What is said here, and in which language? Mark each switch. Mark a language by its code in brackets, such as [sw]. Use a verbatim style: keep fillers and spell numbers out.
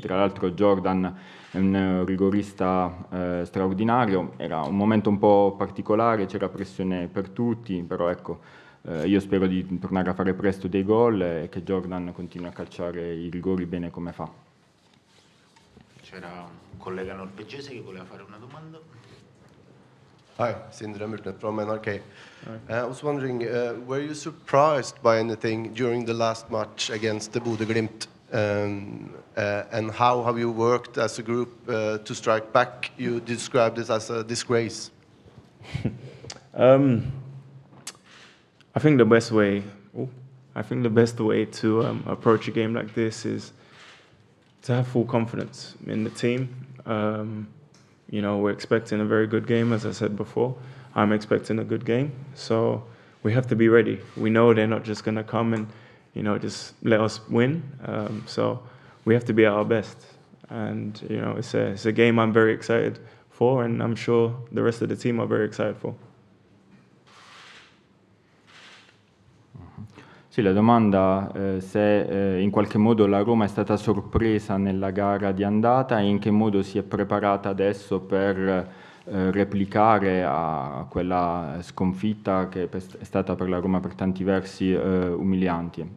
[it] Tra l'altro Jordan è un rigorista eh, straordinario, era un momento un po' particolare, c'era pressione per tutti, però ecco, Uh, io spero di tornare a fare presto dei gol e che Jordan continui a calciare i rigori bene come fa. C'era un collega norvegese che voleva fare una domanda. [en] Hi, Sindre Murtnes from N R K. Uh, I was wondering, uh, were you surprised by anything during the last match against the Bodø/Glimt? Um, uh, and how have you worked as a group uh, to strike back? You described it as a disgrace. um. I think the best way, oh, I think the best way to um, approach a game like this is to have full confidence in the team. Um, you know, we're expecting a very good game, as I said before. I'm expecting a good game, so we have to be ready. We know they're not just going to come and, you know, just let us win. Um, so we have to be at our best, and you know, it's a it's a game I'm very excited for, and I'm sure the rest of the team are very excited for. [it] Sì, la domanda eh, se eh, in qualche modo la Roma è stata sorpresa nella gara di andata e in che modo si è preparata adesso per eh, replicare a quella sconfitta che è stata per la Roma per tanti versi eh, umiliante.